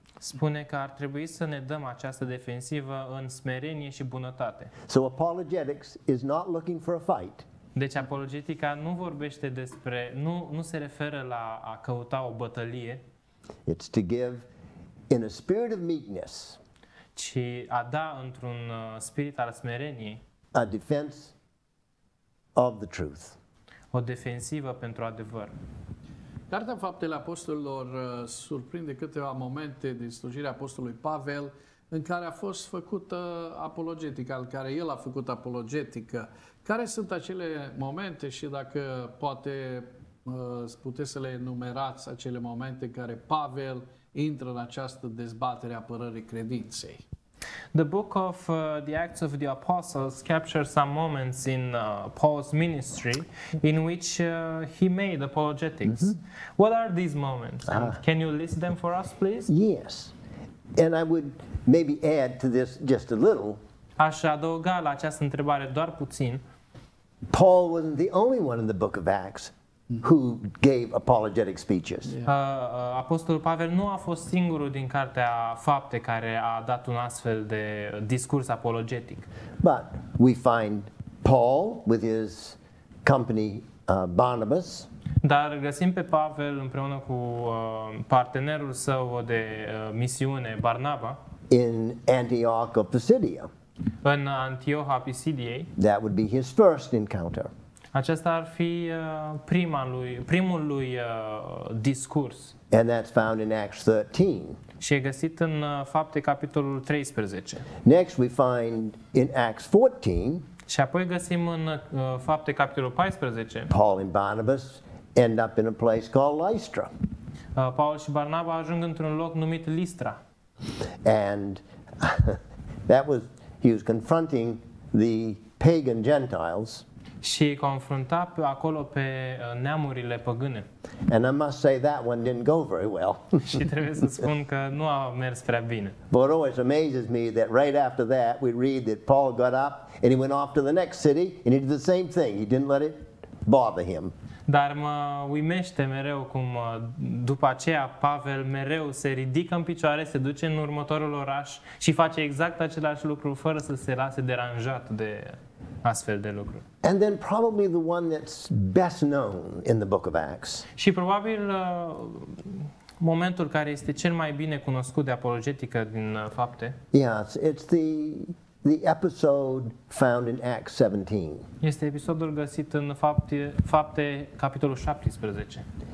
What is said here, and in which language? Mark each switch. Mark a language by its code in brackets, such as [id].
[ro] Spune că ar trebui să ne dăm această defensivă în smerenie și bunătate. [en] So apologetics is not looking for a fight. [ro] Deci apologetica nu vorbește despre, nu se referă la a căuta o bătălie. [en] It's to give in a spirit of meekness. [ro] Ci a da într-un spirit al smereniei. [en] A defense of the truth. [ro] O defensivă pentru adevăr. Cartea Faptele Apostolilor surprinde câteva momente din slujirea apostolului Pavel în care a fost făcută apologetică, al care el a făcut apologetică. Care sunt acele momente și dacă poate puteți să le enumerați acele momente în care Pavel intră în această dezbatere a apărării credinței? [en] The book of the Acts of the Apostles captures some moments in Paul's ministry in which he made apologetics. Mm-hmm. What are these moments? And can you list them for us, please? Yes. And I would maybe add to this just a little. [ro] Aș adăuga la această întrebare doar puțin. [en] Paul wasn't the only one in the book of Acts who gave apologetic speeches. [ro] Apostolul Pavel nu a fost singurul din Cartea Fapte care a dat un astfel de discurs apologetic. [en] But we find Paul with his company Barnabas. [ro] Dar găsim pe Pavel împreună cu partenerul său de misiune Barnaba [en] in Antioch of Pisidia. [ro] În Antioha Pisidiei. [en] That would be his first encounter. [ro] Acesta ar fi primul lui discurs. [en] And that's found in Acts 13. [ro] Și e găsit în Fapte capitolul 13. [en] Next we find in Acts 14. [ro] Și apoi găsim în Fapte capitolul 14. [en] Paul and Barnabas end up in a place called Lystra. [ro] Paul și Barnaba ajung într-un loc numit Listra. [en] And he was confronting the pagan Gentiles. [ro] Și confrunta acolo pe neamurile păgâne. [en] And I must say that one didn't go very well. [ro] Și trebuie să spun că nu a mers prea bine. [en] But it always amazes me that right after that we read that Paul got up and he went off to the next city and he did the same thing. He didn't let it bother him. [ro] Dar mă uimește mereu cum după aceea Pavel mereu se ridică în picioare, se duce în următorul oraș și face exact același lucru fără să se lase deranjat de astfel de lucru. [en] And then probably the one that's best known in the book of Acts. [ro] Și probabil momentul care este cel mai bine cunoscut de apologetică din Fapte. [en] Yes, it's the episode found in Acts 17. [ro] Este episodul găsit în Fapte capitolul 17.